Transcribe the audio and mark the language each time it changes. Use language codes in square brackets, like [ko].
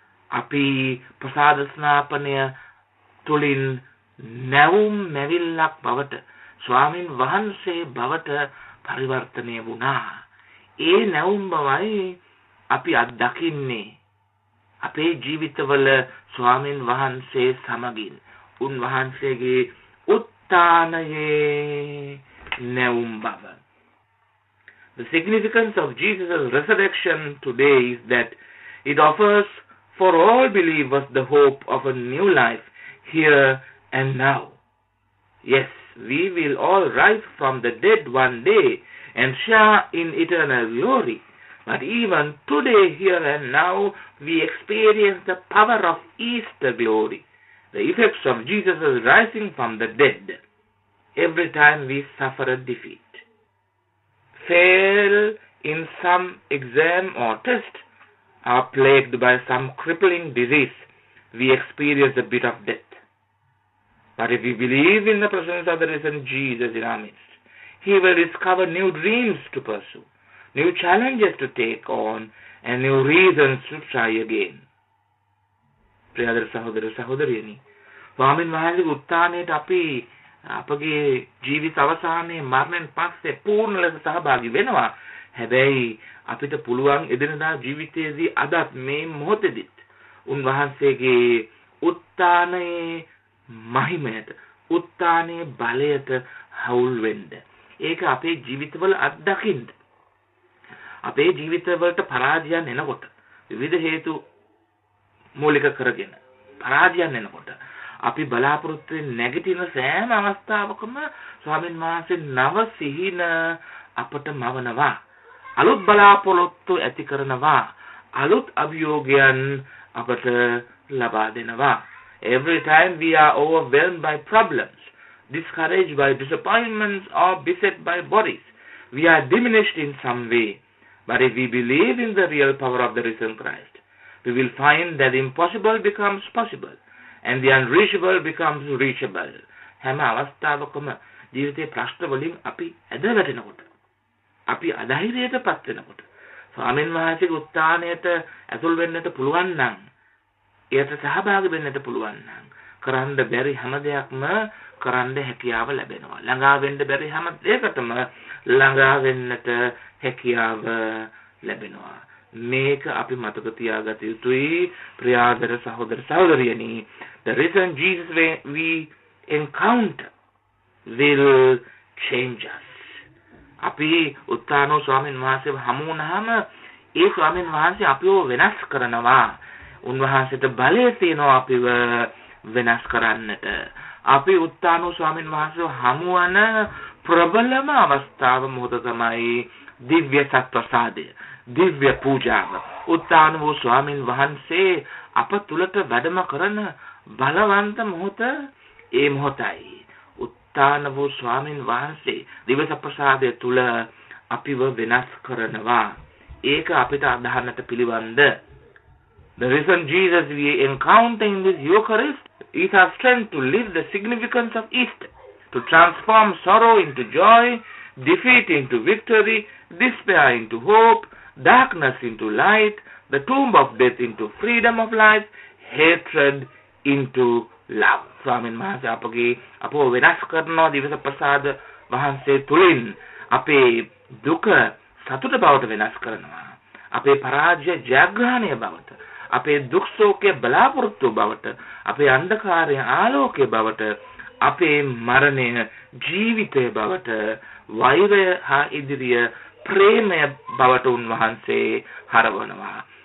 [si] අපි ප්‍රසාද ස්නාපනය තුළින් නැවුම් මැවිල්ලක් බවට ස්වාමින් වහන්සේ බවට පරිවර්තනය වුණා. ඒ නැවුම් බවයි අපි අත් දකින්නේ අපේ ජීවිතවල ස්වාමින් වහන්සේ සමගින් උන්වහන්සේගේ උත් ස්ථානයේ නැවුම් බව. [en] The significance of Jesus' resurrection today is that it offers for all believers the hope of a new life here and now. Yes, we will all rise from the dead one day and share in eternal glory. But even today, here and now, we experience the power of Easter glory, the effects of Jesus' rising from the dead, every time we suffer a defeat. Fail in some exam or test, are plagued by some crippling disease, we experience a bit of death. But if we believe in the presence of the risen Jesus in our midst, he will discover new dreams to pursue, new challenges to take on, and new reasons to try again. [si] Priyadara sahodara sahodariyani, swamin wahanse utthanayata api අපගේ ජීවිත අවසානයේ මරණයෙන් පස්සේ පූර්ණ ලෙස සහභාගී වෙනවා. හැබැයි අපිට පුළුවන් එදිනදා ජීවිතයේදී අදත් මේ මොහොතෙදිත් උන්වහන්සේගේ උත්ථානයේ මහිමයට, උත්ථානයේ බලයට හවුල් වෙන්න. ඒක අපේ ජීවිතවල අත්දකින්න. අපේ ජීවිතවලට පරාජයන් එනකොට, විවිධ හේතු මූලික කරගෙන පරාජයන් එනකොට අපි බලාපොරොත්තු නැගිටින සෑම අවස්ථාවකම ස්වාමීන් වහන්සේ නව සිහින අපට මවනවා, අලුත් බලාපොරොත්තු ඇති කරනවා, අලුත් අභියෝගයන් අපට ලබා දෙනවා. [en] Every time we are overwhelmed by problems, discouraged by disappointments or beset by worries, we are diminished in some way. But if we believe in the real power of the risen Christ, we will find that the impossible becomes possible. And the unreachable becomes reachable. [si] හැම අවස්ථාවකම ජීවිතයේ ප්‍රශ්න වලින් අපි ඇද වැටෙනකොට, අපි අධෛර්යයට පත් වෙනකොට, ස්වාමීන් වහන්සේගේ උත්ථානයට ඇතුල් වෙන්නට පුළුවන් නම්, එයට සහභාගී වෙන්නට පුළුවන් නම්, කරන්න බැරි හැම දෙයක්ම කරන්න හැකියාව ලැබෙනවා. ළඟා වෙන්න බැරි හැම දෙයකටම ළඟා වෙන්නට හැකියාව ලැබෙනවා. මේක අපි මතක තියාගත යුතුයි ප්‍රියාදර සහෝදර සහෝදරියනි. [en] The risen Jesus we encounter will change us. [si] අපි උත්තානෝ ස්වාමීන් වහන්සේව හමු වුණාම ඒ ස්වාමීන් වහන්සේ අපිව වෙනස් කරනවා. උන්වහන්සේට බලය තියෙනවා අපිව වෙනස් කරන්නට. අපි උත්තානෝ ස්වාමීන් වහන්සේව හමු වන ප්‍රබලම අවස්ථාව මොහොත තමයි දිව්‍ය සත්ව සාදය, දිව්‍ය පූජාව. උත්තාන වූ ස්වාමීන් වහන්සේ අප තුළට වැඩම කරන බලවන්ත මොහොත ඒ මොහොතයි. උත්තාන වූ ස්වාමීන් වහන්සේ දිවස ප්‍රසාදය තුළ අපිව වෙනස් කරනවා. ඒක අපිට අදහන්නට පිළිවන්ද. [en] The risen Jesus we encounter in this Eucharist is our strength to live the significance of Easter, to transform sorrow into joy, defeat into victory, despair into hope, darkness into light, the tomb of death into freedom of life, hatred into love. [si] ස්වාමීන් වහන්සේ අපගේ අපව වෙනස් කරන දිවස ප්‍රසාද වහන්සේ තුළින් අපේ දුක සතුට බවට වෙනස් කරනවා. අපේ පරාජය ජයග්‍රහණය බවට, අපේ දුක් ශෝකය බලාපොරොත්තු බවට, අපේ අන්ධකාරය ආලෝකය බවට, අපේ මරණය ජීවිතය බවට, වෛරය හා ඉදිරිය ප්‍රේමය බවට උන්වහන්සේ හරවනවා.